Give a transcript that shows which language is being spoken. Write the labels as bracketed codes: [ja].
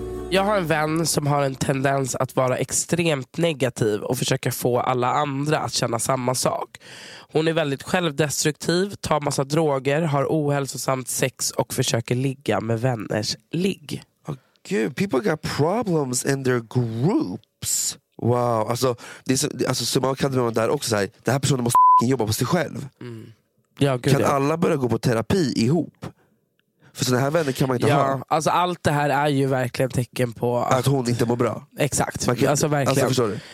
[sv] Jag har en vän som har en tendens att vara extremt negativ och försöka få alla andra att känna samma sak. Hon är väldigt självdestruktiv, tar massa droger, har ohälsosamt sex och försöker ligga med vänners ligg. [en] Oh, gud, people got problems in their groups. [sv] Wow, alltså som man kan med där också säga, den här personen måste jobba på sig själv. Mm. Ja, gud, kan ja. Alla börja gå på terapi ihop? För sådana här vänner kan man inte ja, ha. Alltså allt det här är ju verkligen tecken på att hon inte mår bra. Exakt. Alltså verkligen. Alltså, förstår du?